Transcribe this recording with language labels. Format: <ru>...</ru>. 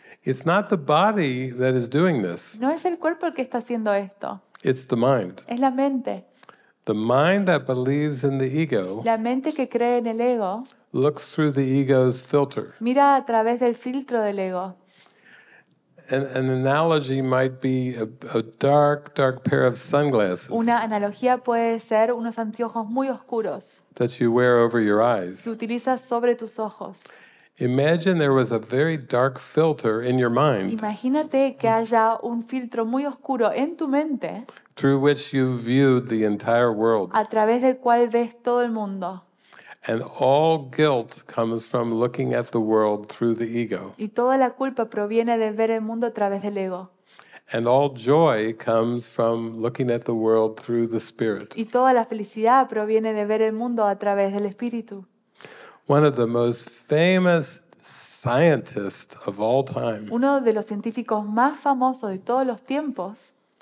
<en>It's not the body that is doing this.</en> <es>No es el cuerpo el que está haciendo esto.</es> <en>It's the mind.</en> <es>Es la mente.</es> <en>The mind that believes in the ego.</en> <es>La mente que cree en el ego.</es> <en>Looks through the ego's filter.</en> <es>Mira a través del filtro del ego.</es> <en>An analogy might be a dark, dark pair of sunglasses.</en> <es>Una analogía puede ser unos anteojos muy oscuros.</es> <en>That you wear over your eyes.</en> <es>Que utilizas sobre tus ojos.</es> <en>Imagine there was a very dark filter in your mind.</en> <es>Imagínate que haya un filtro muy oscuro en tu mente.</es> <en>Through which you viewed the entire world.</en> <es>A través del cual ves todo el mundo.</es> <en>And all guilt comes from looking at the world through the ego.</en> <es>Y toda la culpa proviene de ver el mundo a través del ego.</es> <en>And all joy comes from looking at the world through the spirit.</en> <es>Y toda la felicidad proviene de ver el mundo a través del espíritu.</es> <en>One of the most famous scientists of all time.</en> <es>Uno de los científicos más famosos de todos los tiempos.</es>